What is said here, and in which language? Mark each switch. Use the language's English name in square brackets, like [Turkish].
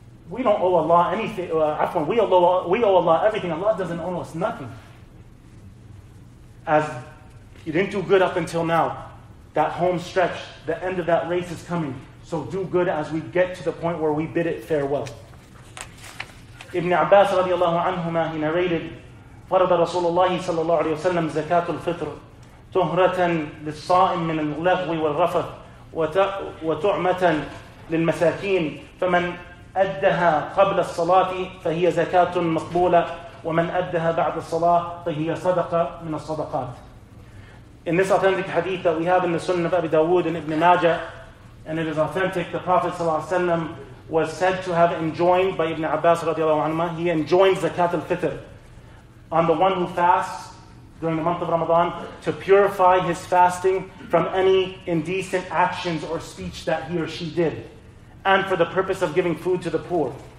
[English] We don't owe Allah anything. We owe Allah everything. Allah doesn't owe us nothing. As you didn't do good up until now, that home stretch, the end of that race is coming. So do good as we get to the point where we bid it farewell. Ibn Abbas radiallahu anhuma, he narrated, [Arabic] فَرَضَ رَسُولُ اللَّهِ صَلَّى اللَّهُ عَلَيْهِ وَسَلَّمْ زَكَاةُ الْفِطْرُ تُهْرَةً لِلصَّائِمِ مِنَ الْغَوِّ وَالْرَفَثِ وَتُعْمَةً لِلْمَسَاكِينِ فَمَنْ أَدَّهَا قَبْلَ الصَّلَاةِ فَهِيَ زَكَاةٌ مَقْبُولَةٌ وَمَنْ أَدَّهَا بَعْدَ الصَّلَاةِ فَهِيَ صَدَقَةٌ مِنَ الصَّدَقَاتِ. [English] In this authentic hadith that we have in the Sunnah of Abi Dawood and Ibn Majah, and it is authentic, the Prophet ﷺ was said to have enjoined by Ibn Abbas radiallahu anhu, he enjoined zakat al-fitr on the one who fasts during the month of Ramadan to purify his fasting from any indecent actions or speech that he or she did, and for the purpose of giving food to the poor.